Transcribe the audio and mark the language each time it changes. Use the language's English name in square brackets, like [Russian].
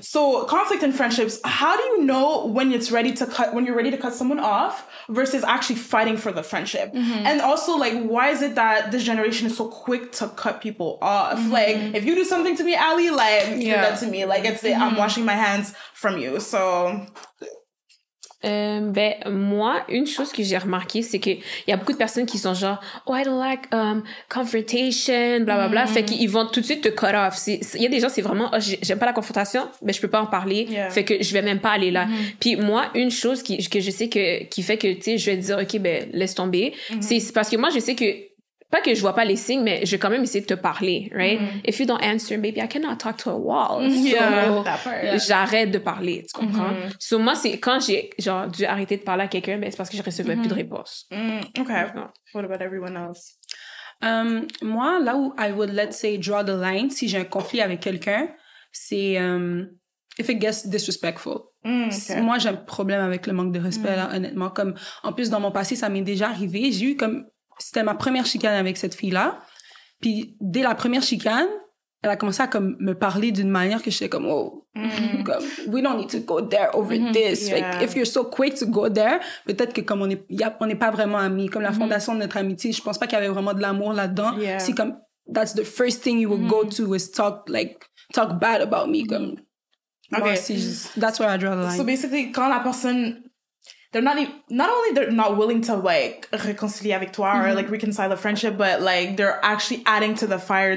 [English] So, conflict and friendships. How do you know when it's ready to cut, when you're ready to cut someone off versus actually fighting for the friendship? Mm-hmm. And also, like, why is it that this generation is so quick to cut people off? Mm-hmm. Like, if you do something to me, Ali, like, yeah. do that to me. Like, it's mm-hmm. I'm washing my hands from you, so... [French] Ben moi, une chose que j'ai remarqué, c'est que il y a beaucoup de personnes qui sont genre [English] oh I don't like confrontation, bla bla [French] bla, fait qu'ils vont tout de suite te [English] cut off. [French] Il y a des gens, c'est vraiment oh, j'aime pas la confrontation, mais je peux pas en parler, fait que je vais même pas aller là. Mm-hmm. Puis moi, une chose que je sais qui fait que tu sais je vais dire ok ben laisse tomber, c'est parce que moi je sais que pas que je vois pas les signes, mais je vais quand même essayer de te parler, right? Mm-hmm. [English] If you don't answer, baby, I cannot talk to a wall. [French] J'arrête de parler, tu comprends? Mm-hmm. So moi, c'est quand j'ai genre dû arrêter de parler à quelqu'un, ben c'est parce que je recevais plus de réponse. [English] Mm-hmm. Okay. Donc, what about everyone else? [French] Moi, là où [English] I would, let's say, draw the line, [French] si j'ai un conflit avec quelqu'un, c'est [English] if it gets disrespectful. [French] Moi, j'ai un problème avec le manque de respect, là, honnêtement. Comme, en plus, dans mon passé, ça m'est déjà arrivé. J'ai eu comme c'était ma première chicane avec cette fille-là. Puis dès la première chicane, elle a commencé à comme me parler d'une manière que j'étais comme, oh, comme, [English] we don't need to go there over this. Yeah. Like, if you're so quick to go there, [French] peut-être que comme on n'est pas vraiment amis. Comme la fondation de notre amitié, je pense pas qu'il y avait vraiment de l'amour là-dedans. [English] Yeah. [French] C'est comme, [English] that's the first thing you would go to is talk, like, talk bad about me. Comme, okay. Moi, just, that's where I draw the line. So basically, [French] quand la personne, [English] they're not, not only they're not willing to like [French] réconcilier avec toi [English] or like reconcile the friendship, but like they're actually adding to the fire.